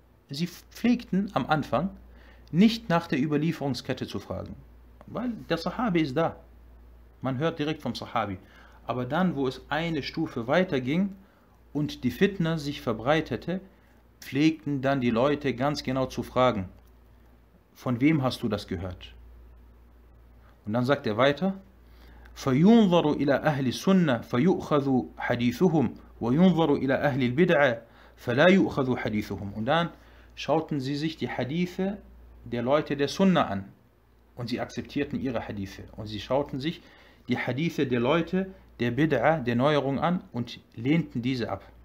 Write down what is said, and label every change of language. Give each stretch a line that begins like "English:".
German: Sie pflegten am Anfang nicht nach der Überlieferungskette zu fragen, weil der Sahabi ist da. Man hört direkt vom Sahabi. Aber dann, wo es eine Stufe weiterging und die Fitna sich verbreitete, pflegten dann die Leute ganz genau zu fragen, von wem hast du das gehört? Und dann sagt er weiter,
Arabic: فَيُنظَرُ إِلَىٰ أَهْلِ السُنَّةِ فَيُؤْخَذُ حَدِيثُهُمْ وَيُنظَرُ إِلَىٰ أَهْلِ الْبِدْعَةِ فَلَا يُؤْخَذُ حَدِيثُهُمْ.
German: Und dann schauten sie sich die Hadithe der Leute der Sunna an und sie akzeptierten ihre Hadithe. Und sie schauten sich die Hadithe der Leute der Bid'a, der Neuerung an und lehnten diese ab.